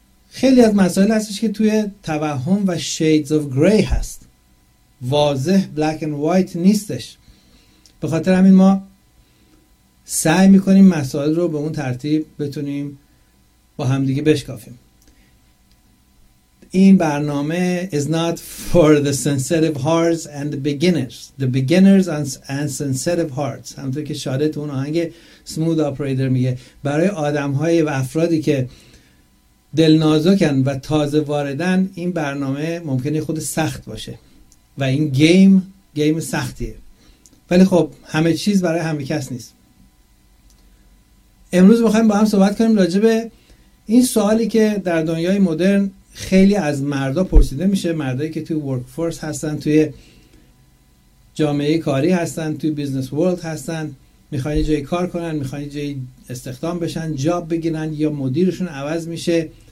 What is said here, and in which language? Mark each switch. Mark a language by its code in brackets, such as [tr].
[fa] خیلی از مسائل هستش که توی توهم و shades of gray هست، واضح black and white نیستش. به خاطر همین ما سعی میکنیم مسائل رو به اون ترتیب بتونیم با همدیگه بشکافیم. [en] این برنامه is not for the sensitive hearts and the beginners and sensitive hearts. [fa] همونطور که شادتون آهنگ Smooth Operator میگه، برای آدم‌های و افرادی که دلنازکن و تازه واردن این برنامه ممکنه خود سخت باشه و این گیم سختیه. ولی خب همه چیز برای همه کس نیست. امروز بخواییم با هم صحبت کنیم راجع به این سوالی که در دنیای مدرن خیلی از مردا پرسیده میشه، مردایی که توی ورک فورس هستن، توی جامعه کاری هستن، توی بیزنس ورلد هستن، میخوان یه جای کار کنن، میخوان یه جای استخدام بشن، جاب بگیرن یا مدیرشون عوض میشه.